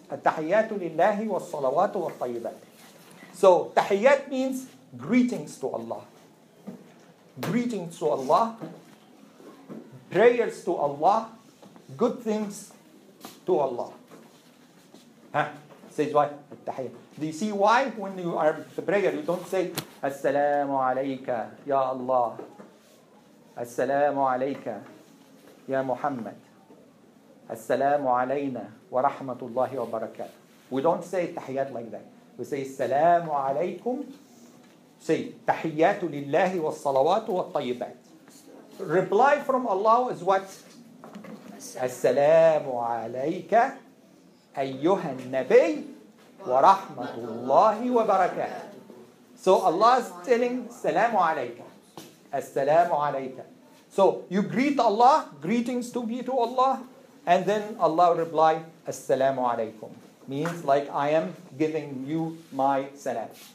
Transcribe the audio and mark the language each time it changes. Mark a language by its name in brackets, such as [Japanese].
[Arabic] التحيات لله والصلوات والطيبات. [English] So, تحيات means greetings to Allah. Greetings to Allah. Prayers to Allah. Good things to Allah. Huh? Says why? التحيات. Do you see why when you are the prayer, you don't say [Arabic] السلام عليك يا الله. السلام عليك يا محمد السلام علينا ورحمة الله وبركاته. [English] We don't say التحيات like that. We say [Arabic] السلام عليكم. Say تحيات لله والصلوات والطيبات. [English] Reply from Allah is what? [Arabic] السلام عليك أيها النبي ورحمة الله وبركاته. [English] So Allah is telling [Arabic] السلام عليك السلام عليك. [English] So you greet Allah, greetings to be to Allah, and then Allah will reply, assalamu alaikum. Means like I am giving you my salam.